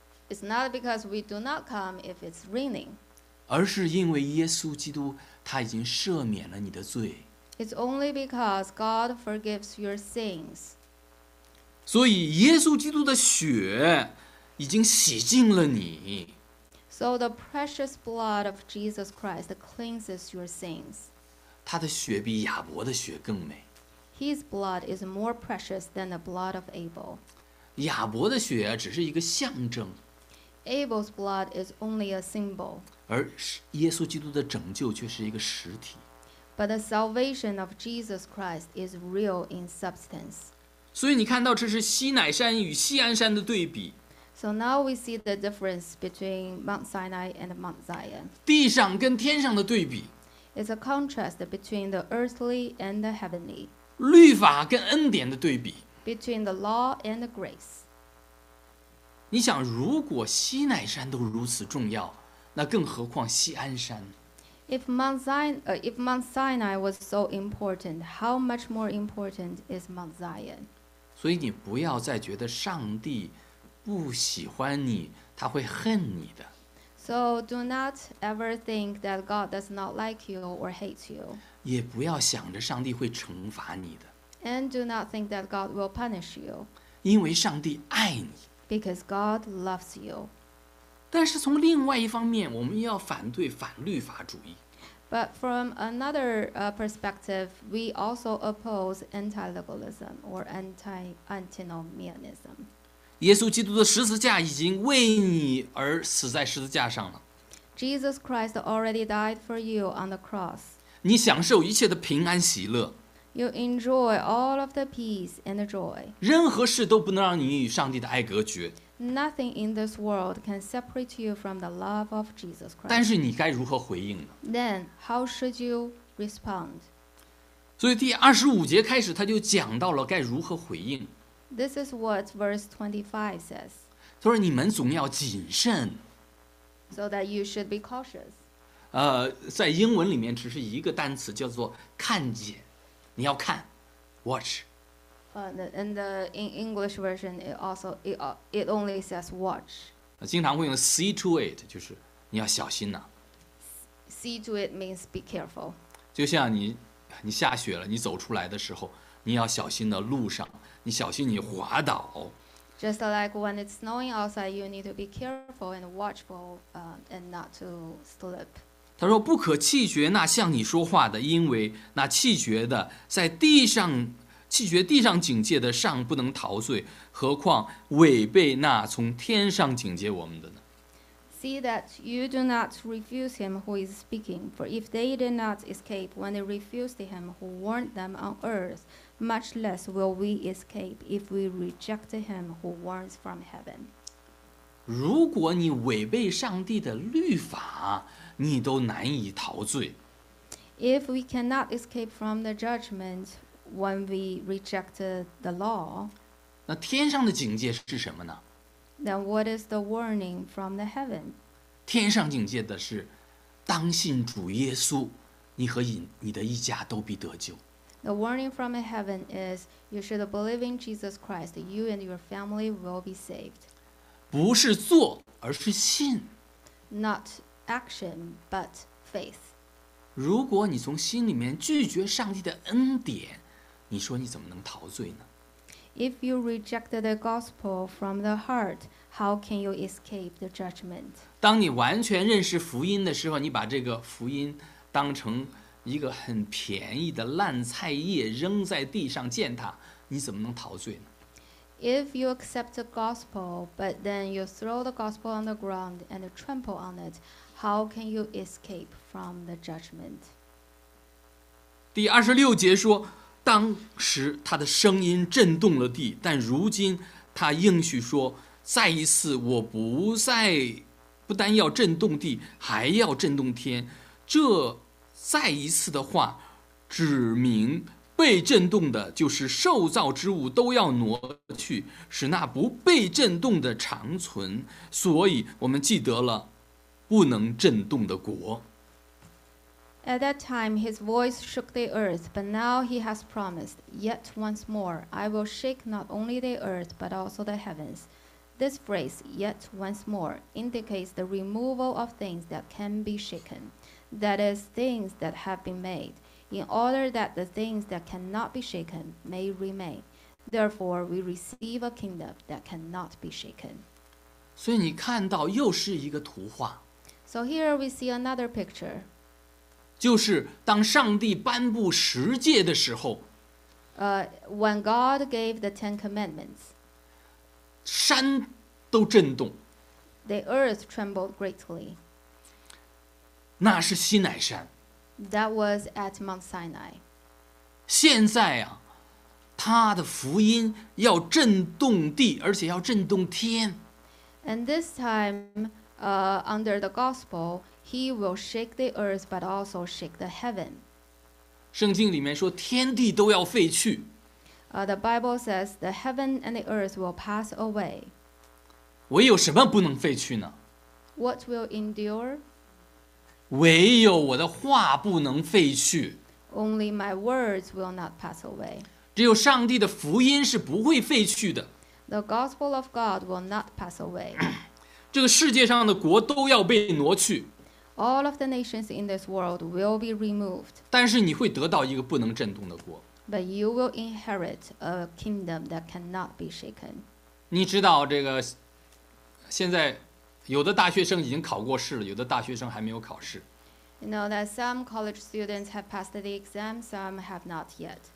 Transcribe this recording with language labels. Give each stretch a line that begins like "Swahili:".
English: It's not because we do not come if it's raining.
Chinese: 而是因为耶稣基督他已经赦免了你的罪。
English: It's only because God forgives your sins.
Chinese: 所以耶稣基督的血已经洗净了你。
English: So the precious blood of Jesus Christ cleanses your sins.
Chinese: 他的血比亚伯的血更美。
English: His blood is more precious than the blood of Abel.
Chinese: 亚伯的血只是一个象征。
English: Abel's blood is only a symbol.
Chinese: 而耶稣基督的拯救却是一个实体。
English: But the salvation of Jesus Christ is real in substance.
Chinese: 所以你看到这是西乃山与锡安山的对比。
English: So now we see the difference between Mount Sinai and Mount Zion.
Chinese: 地上跟天上的对比。
English: It's a contrast between the earthly and the heavenly.
Chinese: 律法跟恩典的对比。
English: Between the law and the grace.
Chinese: 你想，如果西乃山都如此重要，那更何况锡安山？
English: If Mount Sinai was so important, how much more important is Mount Zion?
Chinese: 所以你不要再觉得上帝不喜欢你，他会恨你的。
English: So do not ever think that God does not like you or hate you.
Chinese: 也不要想着上帝会惩罚你的。
English: And do not think that God will punish you.
Chinese: 因为上帝爱你。
English: Because God loves you.
Chinese: 但是从另外一方面，我们要反对反律法主义。
English: But from another perspective, we also oppose anti-legalism or anti-antinomianism.
Chinese: 耶稣基督的十字架已经为你而死在十字架上了。
English: Jesus Christ already died for you on the cross.
Chinese: 你享受一切的平安喜乐。
English: You enjoy all of the peace and the joy.
Chinese: 任何事都不能让你与上帝的爱隔绝。
English: Nothing in this world can separate you from the love of Jesus Christ.
Chinese: 但是你该如何回应呢?
English: Then, how should you respond?
Chinese: 所以第二十五节开始他就讲到了该如何回应。
English: This is what verse 25 says.
Chinese: 他说你们总要谨慎。
English: So that you should be cautious.
Chinese: 在英文里面只是一个单词叫做看见，你要看 ，watch。
English: In English version, it only says watch.
Chinese: 经常会用
English: see to it，
Chinese: 就是你要小心呐、啊。
English: See to it means be careful.
Chinese: 就像你下雪了，你走出来的时候，你要小心的路上，你小心你滑倒。
English: Just like when it's snowing outside, you need to be careful and watchful, and not to slip.
Chinese: 他说不可弃绝那向你说话的，因为那弃绝的在地上。弃绝地上警戒的尚不能陶醉，何况违背那从天上警戒我们的呢？
English: See that you do not refuse him who is speaking, for if they did not escape when they refused him who warned them on earth, much less will we escape if we reject him who warns from heaven.
Chinese: 如果你违背上帝的律法，你都难以陶醉。
English: If we cannot escape from the judgment,When we rejected the law,
Chinese: 那天上的警戒是什么呢？
English: Then what is the warning from the heaven?
Chinese: 天上警戒的是，当信主耶稣，你和你的一家都必得救。
English: The warning from the heaven is, you should believe in Jesus Christ, you and your family will be saved.
Chinese: 不是做，而是信。
English: Not action, but faith.
Chinese: 如果你从心里面拒绝上帝的恩典，你说你怎么能陶醉呢？
English: If you reject the gospel from the heart, how can you escape the judgment?
Chinese: 当你完全认识福音的时候，你把这个福音当成一个很便宜的烂菜叶扔在地上践踏，你怎么能陶醉呢？
English: If you accept the gospel, but then you throw the gospel on the ground and trample on it, how can you escape from the judgment?
Chinese: 第二十六节说当时他的声音震动了地，但如今他应许说，再一次我不单要震动地，还要震动天。这再一次的话，指明被震动的，就是受造之物都要挪去，使那不被震动的长存。所以我们记得了不能震动的国。
English: At that time, his voice shook the earth, but now he has promised, yet once more, I will shake not only the earth, but also the heavens. This phrase, yet once more, indicates the removal of things that can be shaken, that is, things that have been made, in order that the things that cannot be shaken may remain. Therefore, we receive a kingdom that cannot be shaken.
Chinese: 所以你看到又是一个图画。
English: So here we see another picture.
Chinese: 就是当上帝颁布十诫的时候
English: when God gave the Ten Commandments,
Chinese: 山都震动。
English: The earth trembled greatly.
Chinese: 那是西乃山。
English: That was at Mount Sinai.
Chinese: 现在啊，他的福音要震动地，而且要震动天。
English: And this time, under the gospel,He will shake the earth, but also shake the heaven.
Chinese: 圣经里面说天地都要废去。
English: The Bible says the heaven and the earth will pass away.
Chinese: 唯有什么不能废去呢？
English: What will endure?
Chinese: 唯有我的话不能废去。
English: Only my words will not pass away.
Chinese: 只有上帝的福音是不会废去的。
English: The gospel of God will not pass away.
Chinese: 这个世界上的国都要被挪去。
English: All of the nations in this world will be removed.
Chinese: 但是你会得到一个不能震动的国。
English: But you will inherit a kingdom that cannot be shaken.
Chinese: 你知道这个，现在有的大学生已经考过试了，有的大学生还没有考试。
English: You know that some college students have passed the exam, some have not yet.